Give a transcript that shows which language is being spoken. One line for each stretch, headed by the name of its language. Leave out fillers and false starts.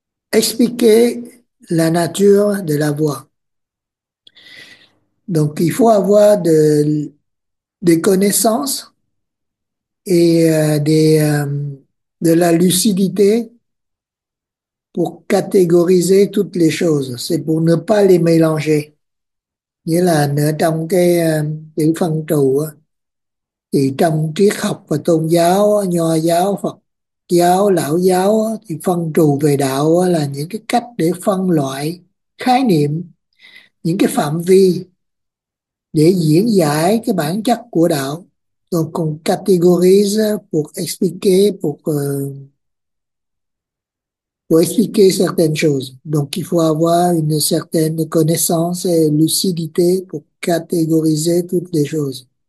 French: Expliquer la nature de la voix. Donc, il faut avoir des connaissances et de la lucidité pour catégoriser toutes les choses. C'est pour ne pas les mélanger.
Vietnamese: Nghĩa là trong cái chữ phân trù thì trong triết học và tôn giáo, nho giáo, Phật giáo, lão giáo thì phân trù về đạo là những cái cách để phân loại khái niệm, những cái phạm vi để diễn giải cái bản chất của đạo, rồi còn categorize
French: pour expliquer pour expliquer certaines choses. Donc il faut avoir une certaine connaissance et lucidité pour catégoriser toutes les choses.